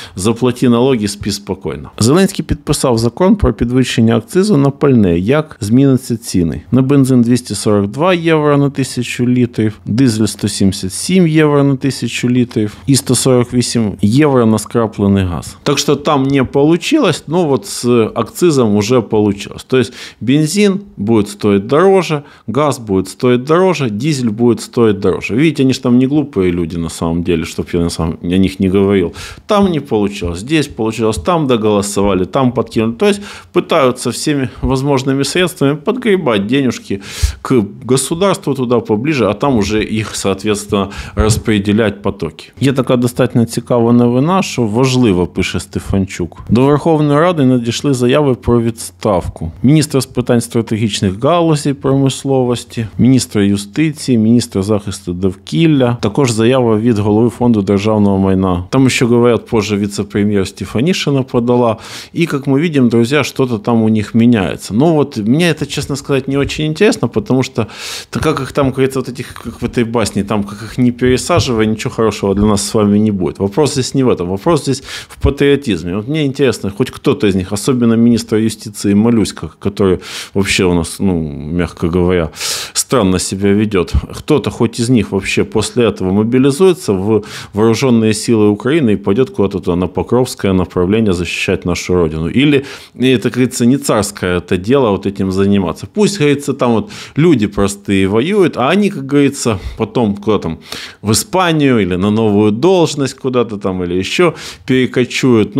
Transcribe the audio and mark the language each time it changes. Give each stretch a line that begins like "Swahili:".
Russian: Заплати налоги, спи спокойно.
Ukrainian: Зеленський підписав закон про підвищення акцизу на пальне, як зміниться ціни. На бензин 242 євро на 1000 літрів, дизель 177 євро на 1000 літрів і 148 євро на скраплений газ. Так що там не вийшло, ну от з акцизом вже вийшло. Тобто бензин буде стоїти дороже,
Russian: газ будет стоить дороже, дизель будет стоить дороже. Видите, они же там не глупые люди на самом деле, чтобы я о них не говорил. Там не получилось, здесь получилось, там доголосовали, там подкинули. То есть пытаются всеми возможными средствами подгребать денежки к государству туда поближе, а там уже их, соответственно, распределять потоки.
Ukrainian: Є така достатньо цікава новина, що важливо, пише Стефанчук. До Верховної Ради надійшли заяви про відставку. Міністр з питань стратегічних галузей про промисловості, міністра юстиції, міністра захисту довкілля. Також заява від голови фонду державного майна. Там ще говорять, позже віце-прем'єр Стефанішина подала. І, як ми бачимо, друзі, щось там у них міняється. Ну, от мені це, чесно сказати, не дуже цікаво, тому що так як їх там, кажеться, от этих, як в цій басні, там, як їх не пересаджувати, нічого хорошого для нас з вами не буде.
Russian: Вопрос здесь не в этом, вопрос здесь в патріотизмі.
Ukrainian: От мені цікаво, хоч хтось з них, особливо міністра юстиції Малюська, який взагалі у нас, ну,
Russian: мягко говоря, странно себя ведет. Кто-то хоть из них вообще после этого мобилизуется в вооруженные силы Украины и пойдет куда-то туда, на Покровское направление защищать нашу родину. Или, это, говорится, не царское это дело вот этим заниматься. Пусть, говорится, там вот люди простые воюют, а они, как говорится, потом куда-то там в Испанию или на новую должность куда-то там или еще перекочуют.